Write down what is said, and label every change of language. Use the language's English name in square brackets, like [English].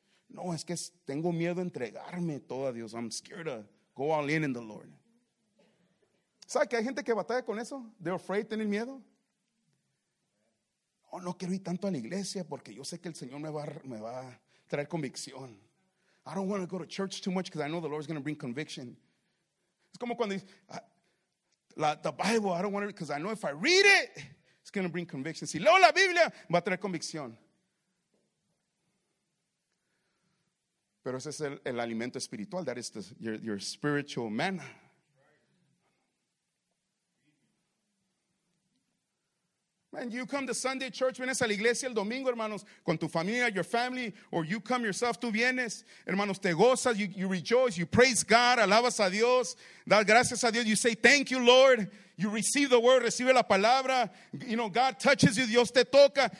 [Spanish] No, es que tengo miedo a entregarme todo a Dios, [English] I'm scared to go all in the Lord. [Spanish] ¿Sabe que hay gente que batalla con eso? [English] They're afraid, [Spanish] tienen miedo. Oh, no quiero ir tanto a la iglesia porque yo sé que el Señor me va a traer convicción. [English] I don't want to go to church too much because I know the Lord is going to bring conviction. [Spanish] Es como cuando dice, [English] the Bible, I don't want to, because I know if I read it, it's going to bring conviction. [Spanish] Si leo la Biblia, va a traer convicción. Pero ese es el alimento espiritual. [English] That is your spiritual manna. And you come to Sunday church, [Spanish] vienes a la iglesia el domingo, hermanos, con tu familia, [English] your family, or you come yourself, [Spanish] tú vienes, hermanos, te gozas, [English] you rejoice, you praise God, [Spanish] alabas a Dios, das gracias a Dios, [English] you say thank you, Lord, you receive the word, [Spanish] recibe la palabra, [English] you know, God touches you, [Spanish] Dios te toca.